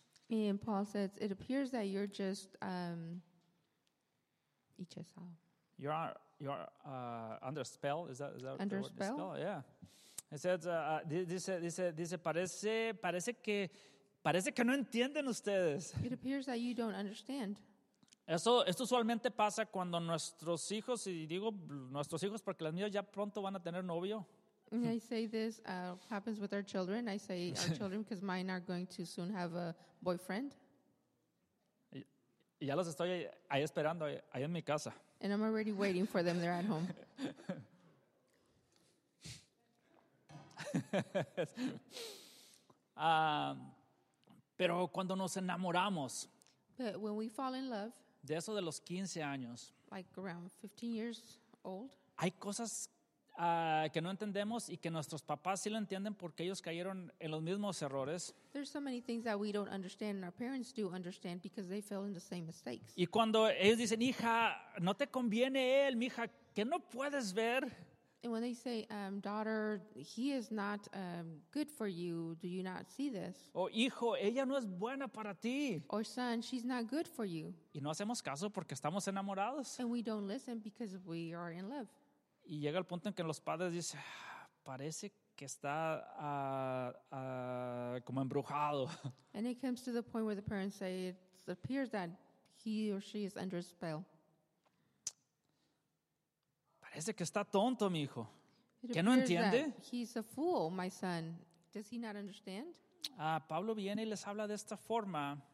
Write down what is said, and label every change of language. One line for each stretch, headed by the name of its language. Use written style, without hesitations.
English: And Paul says, it appears that you're just hechizado. You're under spell. Is that under spell? Yeah. He says,
Spanish: dice parece que no entienden ustedes.
English: It appears that you don't understand.
Spanish: Esto usualmente pasa cuando nuestros hijos, y digo nuestros hijos porque los míos ya pronto van a tener novio.
English: I say this happens with our children. I say our children because mine are going to soon have a boyfriend.
Spanish: Y ya los estoy ahí esperando, ahí en mi casa.
English: And I'm already waiting for them there at home.
Spanish: Pero cuando nos enamoramos.
English: But when we fall in love.
Spanish: De eso de los 15 años.
English: Like around 15 years old.
Spanish: Hay cosas que no entendemos y que nuestros papás sí lo entienden porque ellos cayeron en los mismos errores.
English: There's so many things that we don't understand and our parents do understand because they fell in the same mistakes.
Spanish: Y cuando ellos dicen, hija, no te conviene él, mija, que no puedes ver.
English: And when they say, daughter, he is not good for you, do you not see this?
Spanish: O hijo, ella no es buena para ti.
English: Or son, she's not good for you.
Spanish: Y no hacemos caso porque estamos enamorados.
English: And we don't listen because we are in love.
Spanish: Y llega el punto en que los padres dicen, parece que está como embrujado.
English: And it comes to the point where the parents say, it appears that he or she is under a spell.
Spanish: Parece que está tonto, mi hijo. ¿Qué no entiende?
English: He's a fool, my son. Does he not understand?
Spanish: Pablo viene y les habla de esta forma.